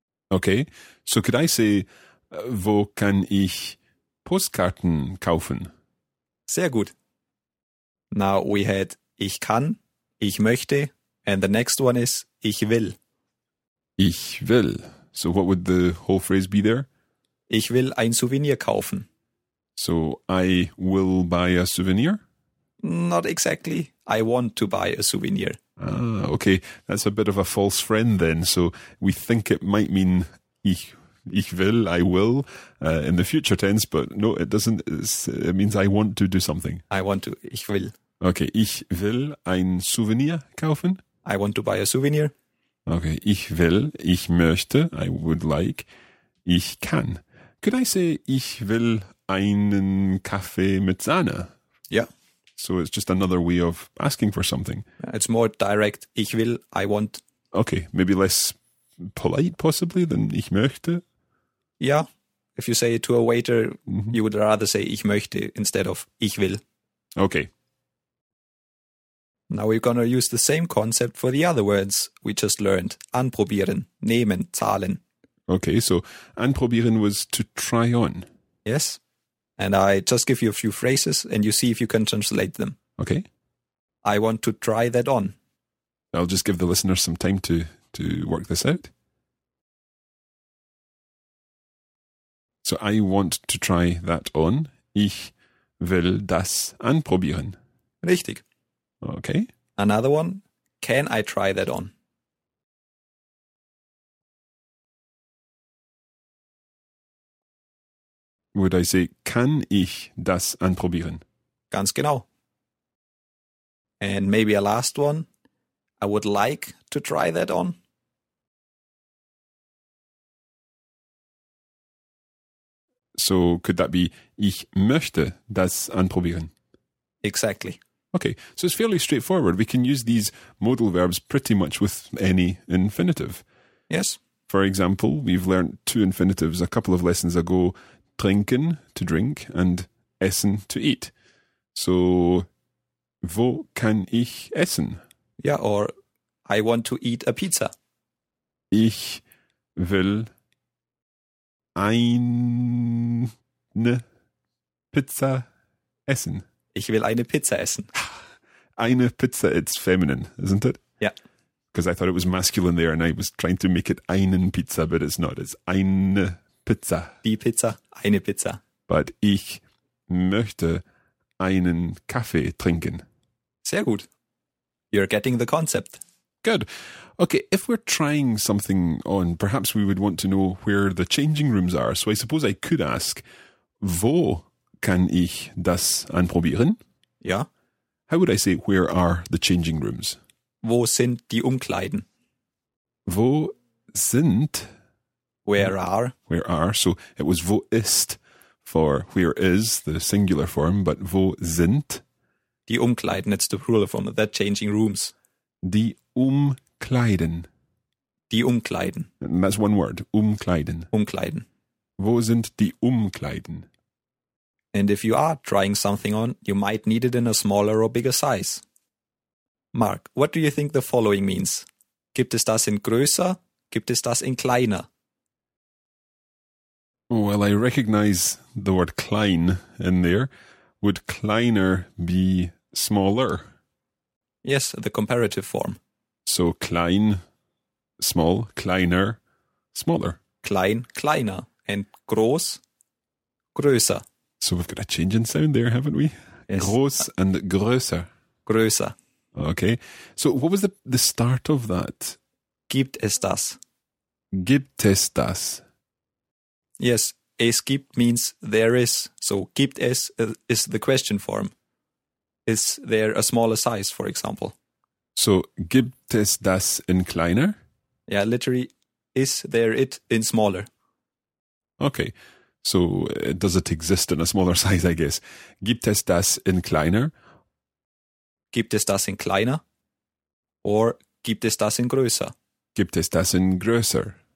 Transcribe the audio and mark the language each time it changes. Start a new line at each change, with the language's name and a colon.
English: Okay, so could I say,
German: wo kann ich Postkarten kaufen? Sehr gut.
English: Now we had
German: ich kann, ich möchte,
English: and the next one is
German: ich will. Ich will.
English: So what would the whole phrase be there?
German: Ich will ein Souvenir kaufen.
English: So I will buy a souvenir? Not exactly. I want to buy a souvenir. Ah, okay. That's a bit of a false friend then. So we think it might mean ich
German: ich will,
English: I will, in the future tense, but no, it doesn't, it means I want to do something. I want to,
German: ich will. Okay, ich will ein Souvenir kaufen.
English: I want to buy a souvenir.
German: Okay, ich will, ich möchte,
English: I would like,
German: ich kann.
English: Could I say,
German: ich will einen Kaffee mit Sahne?
English: Yeah. So it's just another way of asking for something. It's more direct,
German: ich will,
English: I want. Okay, maybe less polite possibly than
German: ich möchte.
English: Yeah, if you say it to a waiter, mm-hmm. you would rather say
German: ich möchte
English: instead of
German: ich will.
English: Okay. Now we're going to use the same concept for the other words we just learned.
German: Anprobieren, nehmen, zahlen.
English: Okay, so anprobieren was to try on. Yes, and I just give you a few phrases and you see if you can translate them. Okay. I want to try that on. I'll just give the listener some time to work this out. So I want to try that on.
German: Ich will das anprobieren. Richtig.
English: Okay. Another one. Can I try that on? Would I say,
German: kann ich das anprobieren? Ganz genau.
English: And maybe a last one. I would like to try that on. So could that be,
German: ich möchte das anprobieren?
English: Exactly. Okay, so it's fairly straightforward. We can use these modal verbs pretty much with any infinitive. Yes. For example, we've learned two infinitives a couple of lessons ago, trinken, to drink, and essen, to eat.
German: So, wo kann ich essen?
English: Yeah, or I want to eat a pizza.
German: Ich will eine Pizza essen. Ich will eine Pizza essen.
English: Eine Pizza, it's feminine, isn't it? Yeah. Because I thought it was masculine there and I was trying to make it einen Pizza, but it's not.
German: It's eine Pizza. Die Pizza, eine Pizza. But ich möchte einen Kaffee trinken. Sehr gut.
English: You're getting the concept. Good. Okay, if we're trying something on, perhaps we would want to know where the changing rooms are. So I suppose I could ask,
German: wo kann ich das anprobieren? Ja.
English: How would I say, where are the changing rooms?
German: Wo sind die Umkleiden? Wo sind...
English: Where are. Where are. So it was
German: wo ist
English: for where is, the singular form, but
German: wo sind. Die Umkleiden,
English: it's the plural form, the changing rooms.
German: Die Umkleiden. Die Umkleiden.
English: And that's one word, Umkleiden.
German: Umkleiden. Wo sind die Umkleiden?
English: And if you are trying something on, you might need it in a smaller or bigger size. Mark, what do you think the following means?
German: Gibt es das in größer? Gibt es das in kleiner?
English: Well, I recognize the word klein in there. Would kleiner be smaller? Yes, the comparative form. So klein, small, kleiner, smaller.
German: Klein, kleiner, and groß, größer.
English: So we've got a change in sound there, haven't we? Yes.
German: Groß and größer. Größer.
English: Okay. So what was the start of that?
German: Gibt es das? Gibt es das?
English: Yes,
German: es gibt
English: means there is. So
German: gibt es
English: is the question form. Is there a smaller size, for example?
German: So gibt es das in kleiner?
English: Yeah, literally, is there it in smaller? Okay, so does it exist in a smaller size, I guess.
German: Gibt es das in kleiner? Gibt es das in kleiner? Or gibt es das in größer? Gibt es das in größer?